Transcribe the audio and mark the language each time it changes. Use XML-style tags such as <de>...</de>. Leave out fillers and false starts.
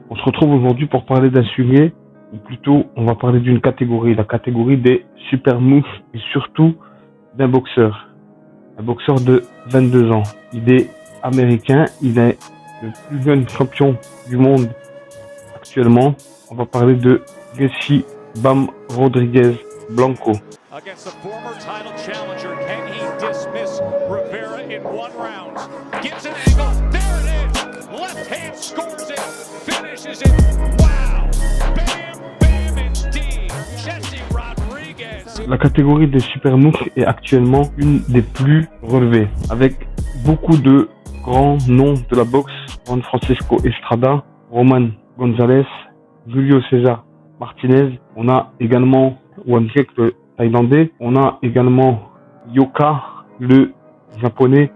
<fr>On se retrouve aujourd'hui pour parler d'un sujet, ou plutôt on va parler d'une catégorie, la catégorie des super moves et surtout d'un boxeur. Un boxeur de 22 ans. Il est américain, il est le plus jeune champion du monde actuellement. On va parler de Gessi Bam Rodriguez Blanco.</fr> <en>Against a former title challenger, can he dismiss Rivera in one round? Gets an angle, there it is! Left hand scores it, finishes it, wow! Bam, bam indeed! Gessi Rodriguez!</en> <fr>La catégorie des super moves est actuellement une des plus relevées, avec beaucoup de grands noms de la boxe, Juan Francisco Estrada, Roman González, Julio César Martinez. On a également Wang Jack, le Thaïlandais. On a également Yoka, le Japonais.</fr>